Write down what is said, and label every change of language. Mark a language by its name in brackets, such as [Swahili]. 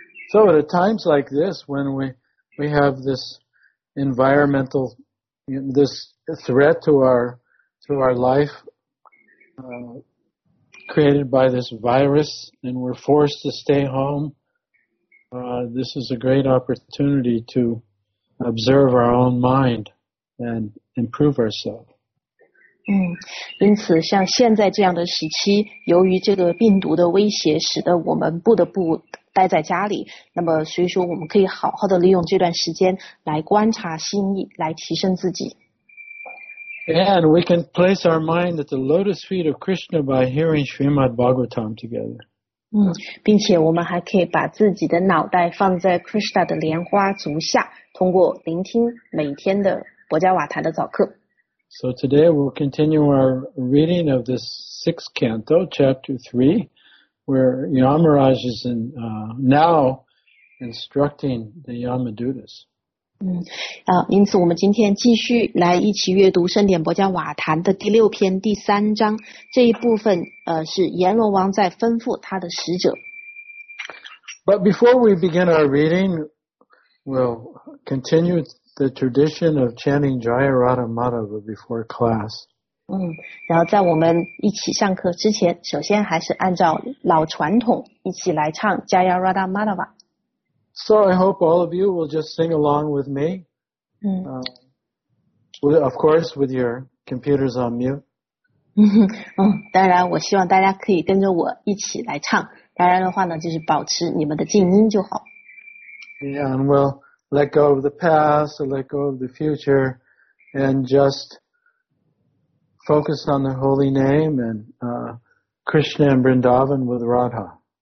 [English] So at times like this, when we have this environmental, this threat to our life, created by this virus, and we're forced to stay home,this is a great opportunity to observe our own mind and improve ourselves. [Chinese] 因此像现在这样的时期，由于这个病毒的威胁，使得我们不得不待在家里，那么所以说我们可以好好的利用这段时间来观察心意，来提升自己。 [English] And we can place our mind at the lotus feet of Krishna by hearing Srimad Bhagavatam together. [Chinese] 并且我们还可以把自己的脑袋放在 Krishna 的莲花足下，通过聆听每天的博加瓦坛的早课。 [English] So today we'll continue our reading of this sixth canto, chapter 3, where Yamaraj is in, now instructing the Yamadutas. [Chinese] 因此我们今天继续来一起阅读圣典博加瓦坛的第六篇第三章，这一部分是阎罗王在吩咐他的使者。 [English] But before we begin our reading, we'll continue the tradition of chanting Jaya Radha Madhava before class. [Chinese] 然后在我们一起上课之前，首先还是按照老传统一起来唱 Jaya Radha Madhava。 [English] So I hope all of you will just sing along with me. Of course, with your computers on mute. [Chinese] 当然我希望大家可以跟着我一起来唱。当然的话呢就是保持你们的静音就好。 [English] Yeah, and we'll let go of the past, let go of the future, and just focus on the holy name and, Krishna and Vrindavan with Radha.